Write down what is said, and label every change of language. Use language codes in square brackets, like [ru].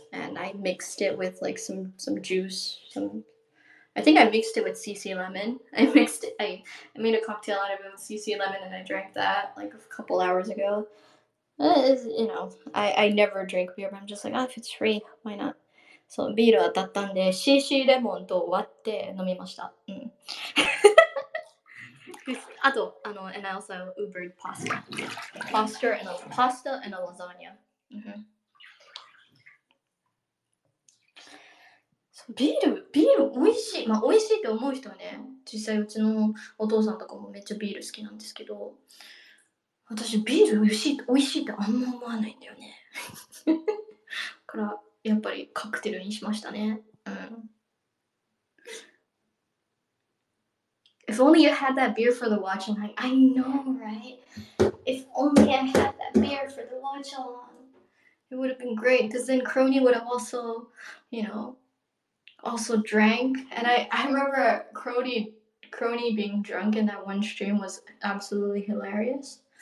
[en] And I mixed it with like some juice, I think I mixed it with CC lemon. I made a cocktail out of it with CC lemon and I drank that like a couple hours ago. It's, you know, I never drink beer, but I'm just like, oh, if it's free, why not? [ja] そう、ビール当たったんで、CC レモンと割って飲みました。うん。 [en] あと、and I also Ubered pasta. Pasta and a lasagna. Mm-hmm. [ja] ビール美味しい。まあ、美味しいって思う人はね、実際うちのお父さんとかもめっちゃビール好きなんですけど、私、ビール美味しいってあんま思わないんだよね。から、やっぱりカクテルにしましたね。うん。 [en] If only you had that beer for the watch along. I know, right? If only I had that beer for the watch along. It would have been great. Because then Crony would have also, you know, also drank. And I remember Crony being drunk in that one stream was absolutely hilarious.